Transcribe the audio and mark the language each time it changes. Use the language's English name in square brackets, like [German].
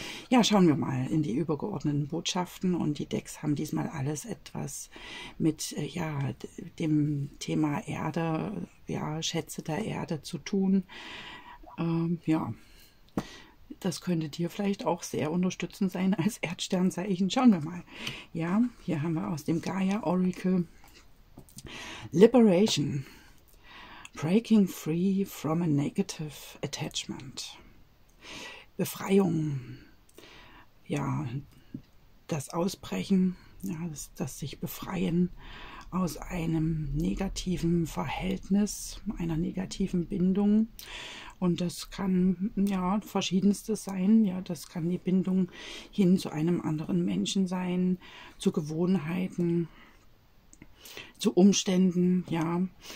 [German] Ja, schauen wir mal in die übergeordneten Botschaften. Und die Decks haben diesmal alles etwas mit ja, dem Thema Erde, ja, Schätze der Erde zu tun. Ja, das könnte dir vielleicht auch sehr unterstützend sein als Erdsternzeichen. Schauen wir mal. Ja, hier haben wir aus dem Gaia Oracle Liberation. [English] Breaking free from a negative attachment. [German] Befreiung. Ja, das Ausbrechen, ja, das sich Befreien aus einem negativen Verhältnis, einer negativen Bindung. Und das kann ja verschiedenstes sein. Ja, das kann die Bindung hin zu einem anderen Menschen sein, zu Gewohnheiten, zu Umständen, ja.